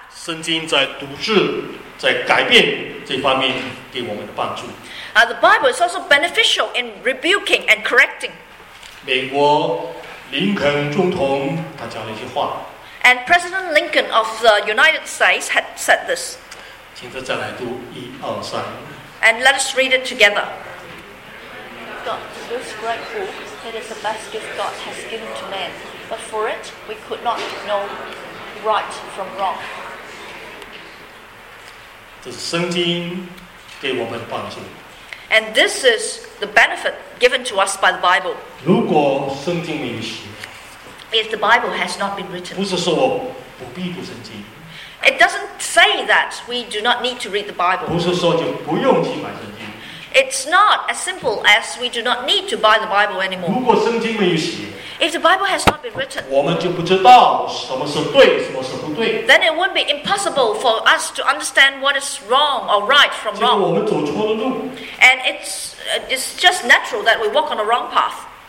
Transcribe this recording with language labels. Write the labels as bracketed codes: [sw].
[zh] 圣经在读治、在改变这方面给我们的帮助。 [en] The Bible is also beneficial in rebuking and correcting. [zh] 美国林肯总统他讲了一句话。 [en] And President Lincoln of the United States had said this. [zh] 请再来读一二三。 [en] And let us read it together. God's most great book, it is the best gift God has given to man. But for it, we could not know right from wrong. [zh] 这是圣经给我们的帮助。 [en] And this is the benefit given to us by the Bible. [zh] 如果圣经没有写, [en] if the Bible has not been written, [zh] 不是说我不必读圣经, [en] it doesn't say that we do not need to read the Bible. [zh] 不是说就不用去买圣经, [en] it's not as simple as we do not need to buy the Bible anymore. [zh] 如果圣经没有写, [en] if the Bible has not been written, [zh] 我们就不知道什么是对, 什么是不对, [en] then it would be impossible for us to understand what is wrong or right from wrong. And it's just natural that we walk on the wrong path.